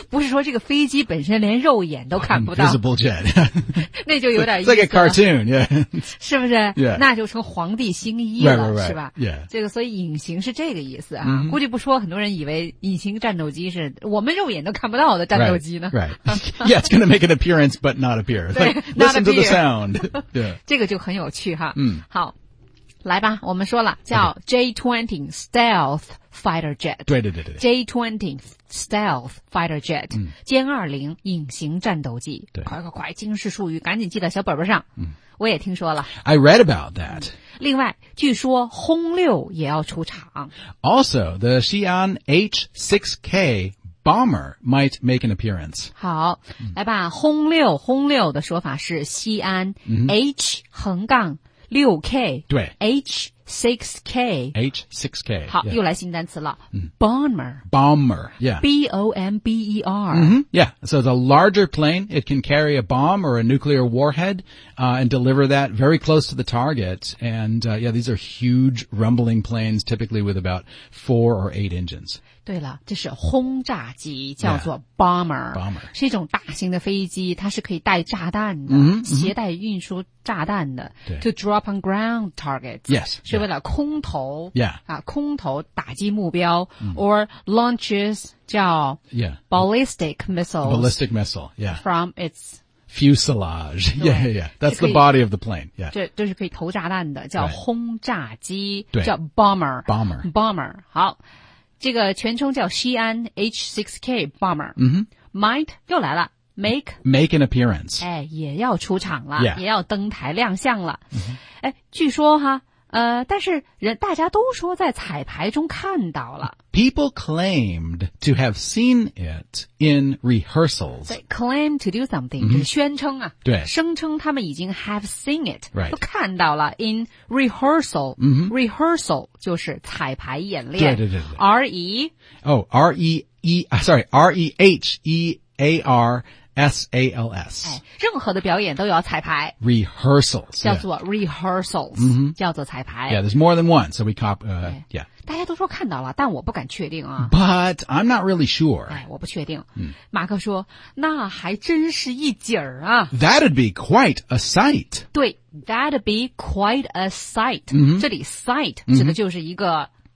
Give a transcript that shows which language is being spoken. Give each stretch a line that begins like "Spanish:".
Chinese: 不是说这个飞机本身连肉眼都看不到
English: invisible jet
Chinese: 那就有点意思
English: it's like a cartoon、yeah.
Chinese: 是不是、
English: yeah.
Chinese: 那就成皇帝新衣了
English: right, right, right.
Chinese: 是吧、
English: yeah.
Chinese: 这个所以隐形是这个意思、啊
English: mm-hmm.
Chinese: 估计不说很多人以为隐形战斗机是我们肉眼都看不到的战斗机呢
English: right, right. Yeah, it's going to make an appearance, but not appear. Like, listen to the sound.
Chinese: 这个就很有趣哈。嗯，好，来吧，我们说了叫 J-20 Stealth Fighter Jet. 对对对对。 J-20 Stealth Fighter Jet. 歼20隐形战斗机。对。快快快，今日术语赶紧记到小本本上。嗯。我也听说了。
English: I read about that.
Chinese: 另外，据说轰六也要出场。
English: Also, the Xi'an H-6K Bomber might make an appearance.
Chinese: 好、嗯、来吧轰六轰六的说法是西安、嗯、
English: H-6K
Chinese: 对
English: H-6K H-6K
Chinese: 好、
English: yeah.
Chinese: 又来新单词了、嗯、
English: Bomber yeah. B-O-M-B-E-R、 mm-hmm. Yeah, so it's a larger plane. It can carry a bomb or a nuclear warhead、and deliver that very close to the target. And、yeah, these are huge rumbling planes, typically with about 4 or 8 engines.
Chinese: 对了这是轰炸机叫做 bomber,
English: yeah, bomber
Chinese: 是一种大型的飞机它是可以带炸弹的、
English: mm-hmm,
Chinese: 携带运输炸弹的、
English: mm-hmm. to drop on ground targets yes,
Chinese: 是为了空投、
English: yeah.
Chinese: 啊、空投打击目标、mm-hmm. or launches 叫
English: yeah, ballistic missiles ballistic missile、yeah. from its fuselage, yeah, yeah, that's the body of the plane, yeah.
Chinese: 这都是可以投炸弹的叫轰炸机、
English: right.
Chinese: 叫 bomber,
English: bomber,
Chinese: bomber, 好这个全称叫西安 H-6K Bomber、
English: mm-hmm.
Chinese: Might 又来了 Make
English: Make an appearance
Chinese: 哎，也要出场了、
English: yeah.
Chinese: 也要登台亮相了、
English: mm-hmm.
Chinese: 哎，据说哈但是人大家都说在彩排中看到了
English: People claimed to have seen it in rehearsals Claim to do something、mm-hmm.
Chinese: 就是宣称啊对声称他们已经 have seen it、
English: right.
Chinese: 都看到了 In rehearsal、
English: mm-hmm.
Chinese: Rehearsal 就是彩排演练对对对对
English: R-E Oh R-E-E Sorry R-E-H-E-A-RSALS、
Chinese: 哎、任何的表演都有彩排
English: Rehearsals
Chinese: 叫做 rehearsals、
English: yeah.
Chinese: 叫做彩排
English: Yeah, there's more than one So we cop、yeah.
Chinese: 大家都说看到了但我不敢确定啊
English: But I'm not really sure、
Chinese: 哎、我不确定、 mm. 马克说那还真是一景儿啊
English: That'd be quite a sight 对 That'd be quite a sight、 mm-hmm.
Chinese: 这里 sight 指的就是一个